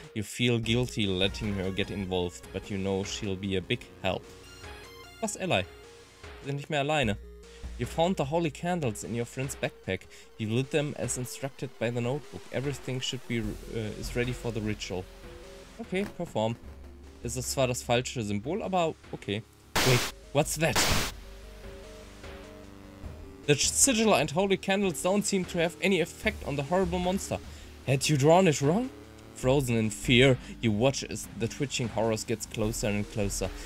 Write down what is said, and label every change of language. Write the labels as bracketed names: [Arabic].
[English] You feel guilty letting her get involved, but you know she'll be a big help. [German] Was, Ally? Sind nicht mehr alleine. [English] You found the holy candles in your friend's backpack. You lit them as instructed by the notebook. Everything should be is ready for the ritual. Okay, perform. [German] Es ist zwar das falsche Symbol, aber okay. [English] Wait, what's that? The sigil and holy candles don't seem to have any effect on the horrible monster. Had you drawn it wrong? Frozen in fear, you watch as the twitching horrors gets closer and closer.